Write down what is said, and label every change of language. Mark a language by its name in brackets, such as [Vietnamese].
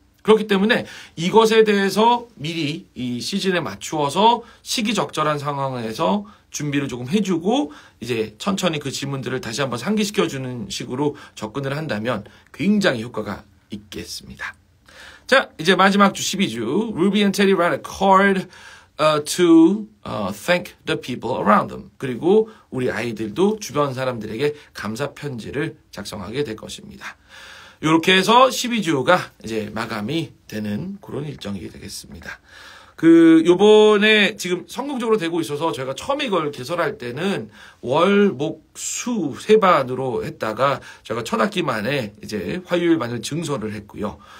[Korean] 그렇기 때문에 이것에 대해서 미리 이 시즌에 맞추어서 시기적절한 상황에서 준비를 조금 해주고 이제 천천히 그 질문들을 다시 한번 상기시켜주는 식으로 접근을 한다면 굉장히 효과가 있겠습니다. 자, 이제 마지막 주 12주. [English] Ruby and Teddy write a card to thank the people around them. [Korean] 그리고 우리 아이들도 주변 사람들에게 감사 편지를 작성하게 될 것입니다. 이렇게 해서 12주가 이제 마감이 되는 그런 일정이 되겠습니다. 요번에 지금 성공적으로 되고 있어서 저희가 처음 이걸 개설할 때는 월, 목, 수, 세 반으로 했다가 저희가 첫 학기 만에 이제 화요일 반을 증설을 했고요.